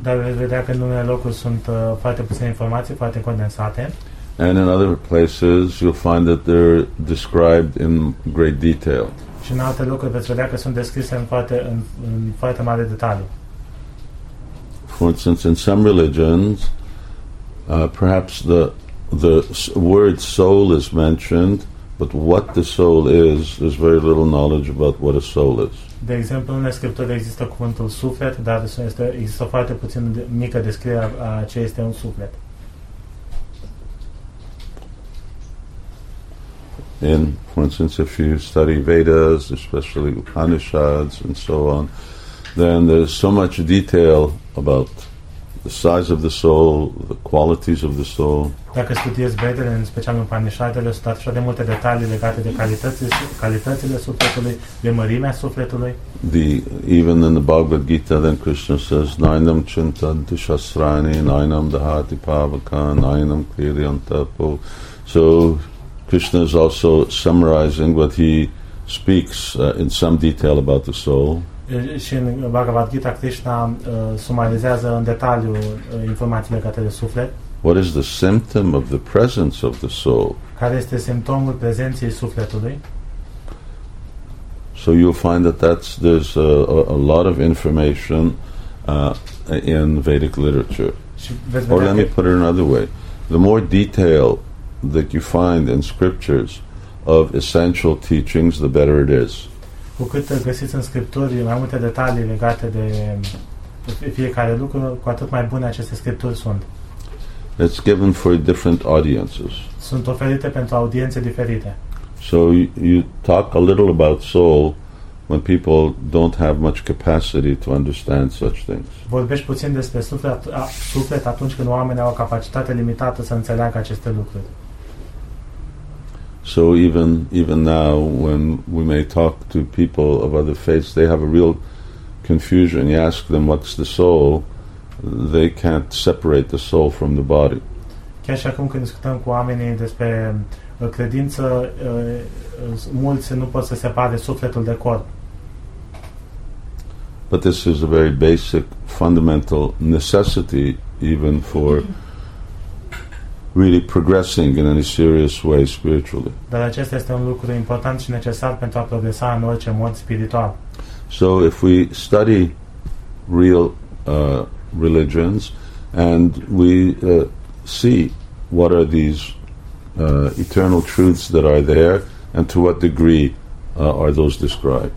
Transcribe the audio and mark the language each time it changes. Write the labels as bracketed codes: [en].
[ro] Dar vedea că în unele locuri sunt foarte puține informații, foarte condensate. [en] And in other places you'll find that they're described in great detail. [ro] Și în alte locuri veți vedea că sunt descrise în foarte mare detaliu. [en] For instance, in some religions, perhaps the word soul is mentioned, but what the soul is, there's very little knowledge about what a soul is. [ro] De exemplu, în scriptură există cuvântul suflet, dar există foarte puțin mică descriere a ce este un suflet. [en] In, for instance, if you study Vedas, especially Upanishads and so on, then there's so much detail about the size of the soul, the qualities of the soul. [ro] Dacă studiezi Vedele, în special Upanishadele, sunt atât de multe detalii legate de calitățile sufletului, de mărimea sufletului. [en] Even in the Bhagavad Gita, then Krishna says, [sa] Nainam chintanti shasrani, nainam dahati pavaka, nainam kriyantapo. [en] So Krishna is also summarizing what he speaks in some detail about the soul. [ro] Și în Bhagavad Gita Krishna sumarizează în detaliu informațiile legate de suflet. [en] What is the symptom of the presence of the soul? [ro] Care este simptomul prezenței sufletului? [en] So you'll find that there's a lot of information in Vedic literature. Or let me put it another way. The more detail that you find in scriptures of essential teachings, the better it is. [ro] Cu cât găsiți în scripturi mai multe detalii legate de fiecare lucru, cu atât mai bune aceste scripturi sunt. [en] It's given for different audiences. [ro] Sunt oferite pentru audiențe diferite. [en] So you talk a little about soul when people don't have much capacity to understand such things. [ro] Vorbești puțin despre suflet atunci când oamenii au o capacitate limitată să înțeleagă aceste lucruri. [en] So even now, when we may talk to people of other faiths, they have a real confusion. You ask them, what's the soul? They can't separate the soul from the body. [ro] Chiar și acum când discutăm cu oamenii despre credință, mulți nu pot să separe sufletul de corp. [en] But this is a very basic, fundamental necessity even for really progressing in any serious way spiritually. [ro] Dar acesta este un lucru important și necesar pentru a progresa în orice mod spiritual. [en] So if we study real religions and we see what are these eternal truths that are there and to what degree are those described.